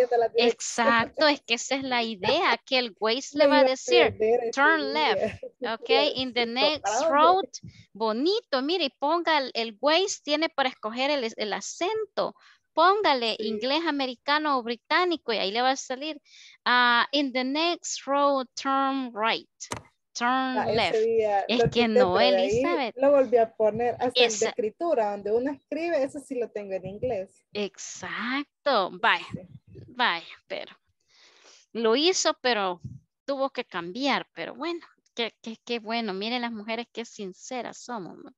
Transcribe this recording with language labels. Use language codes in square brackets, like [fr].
[es] no la exacto, es que esa es la idea, que el Waze le va a decir, [en] turn left, [es] ok, [en] in the next road. [es] Bonito, mire, y ponga el Waze, tiene para escoger el acento. Póngale sí. Inglés, americano o británico y ahí le va a salir. [en] In the next row, turn right, turn left. [es] Es que no, Elizabeth. Lo volví a poner hasta en la escritura, donde uno escribe, eso sí lo tengo en inglés. Exacto. Vaya, sí. Vaya, pero lo hizo, pero tuvo que cambiar. Pero bueno, qué bueno. Miren las mujeres, qué sinceras somos.